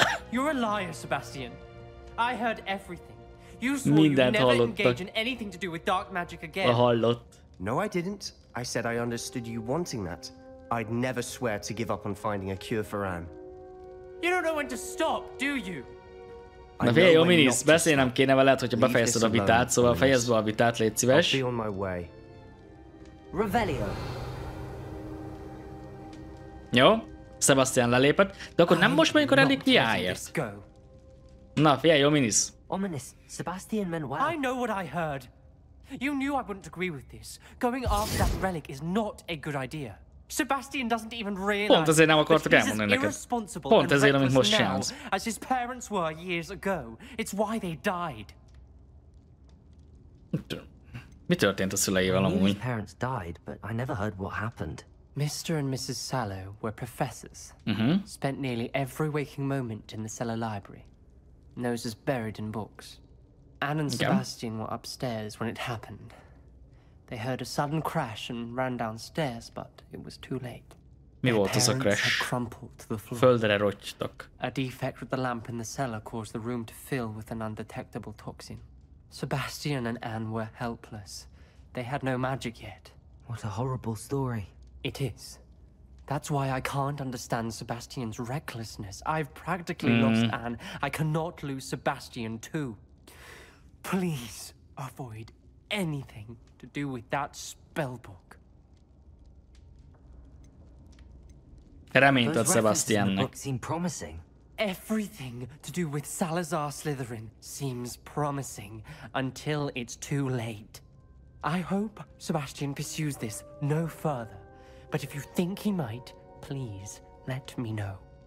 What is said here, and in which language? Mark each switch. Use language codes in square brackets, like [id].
[en] You're a liar, Sebastian. I heard everything. You swore you'd never engage in anything to do with dark magic again. [hu] A hallott. [en] No, I didn't. I said I understood you wanting that. I'd never swear to give up on finding a cure for Anne. You don't know when to stop, do you? [hu] Na figyelj, Ominous, beszélnem kéne veled, hogyha befejezted a vitát, szóval fejezd be a vitát, légy szíves. [en] I'll be on my way. Revelio. [hu] Jó, Sebastian lelépett, de akkor nem most megyünk a relikviáért. Na, figyelj, Ominous. Ominous, Sebastian Manuel. [en] I know what I heard. You knew I wouldn't agree with this. Going after that relic is not a good idea. Sebastian doesn't even realize. [hu] Pont ezért nem akartok elmondani neked. Pont ezért, amit most csinálsz. [en] As his parents were years ago. It's why they died. [hu] Mi történt a szüleivel amúgy? [en] His parents died, but I never heard what happened. Mr. and Mrs. Sallow were professors. Spent nearly every waking moment in the cellar library. Noses buried in books. Anne and Sebastian were upstairs when it happened. They heard a sudden crash and ran downstairs, but it was too late. [hu] Mi volt az a crash? [en] Had crumpled to the floor. [hu] Földre rogytak. [en] A defect with the lamp in the cellar caused the room to fill with an undetectable toxin. Sebastian and Anne were helpless. They had no magic yet. What a horrible story. It is. That's why I can't understand Sebastian's recklessness. I've practically lost Anne. I cannot lose Sebastian too. Please avoid anything to do with that spellbook. [hu] Reményt ad Sebastiannak. [en] Everything to do with Salazar Slytherin seems promising until it's too late. I hope Sebastian pursues this no further, but if you think he might, please let me know.